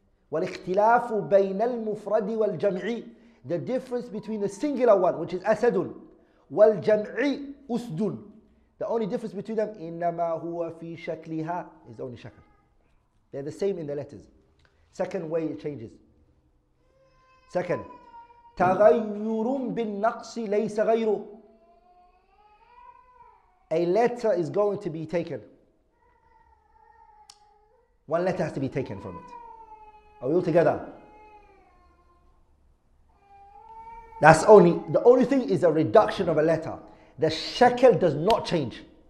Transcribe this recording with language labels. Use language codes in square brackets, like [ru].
[ar] وَالْإِخْتِلَافُ بَيْنَ الْمُفْرَدِ وَالْجَمْعِ, [en] the difference between the singular one, which is أَسَدٌ, [ar] وَالْجَمْعِ أُسْدٌ, [en] the only difference between them, [ar] إِنَّمَا هُوَ فِي شَكْلِهَا, [en] is only shakl. They're the same in the letters. Second way it changes. [ar] Second, تَغَيُّرٌ بِالنَّقْصِ لَيْسَ غَيْرُ. [en] A letter is going to be taken. One letter has to be taken from it. Are we all together? That's only, the only thing is a reduction of a letter. The shekel does not change.